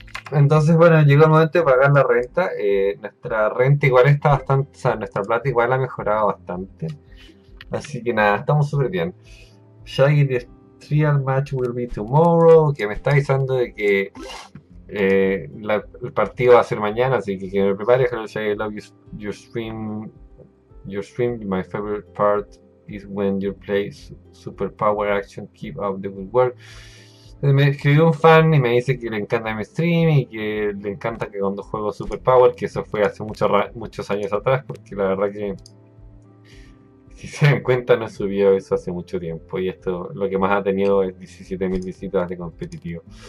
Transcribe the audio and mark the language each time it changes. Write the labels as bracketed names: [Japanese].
[Spanish] Entonces, bueno, llegó el momento de pagar la renta. Nuestra renta igual está bastante, o sea, nuestra plata igual ha mejorado bastante. Así que nada, estamos súper bien. [English] Shaggy, the trial match will be tomorrow. [Spanish] Que me está avisando de que el partido va a ser mañana, así que me prepare. [English] Hello, Shaggy, love your stream, my favorite part is when you play super power action, keep up the good work. [Spanish] Me escribió un fan y me dice que le encanta mi stream y que le encanta que cuando juego Super Power, que eso fue hace muchos años atrás, porque la verdad que si se dan cuenta no he subido eso hace mucho tiempo y esto lo que más ha tenido es 17.000 visitas de competitivo.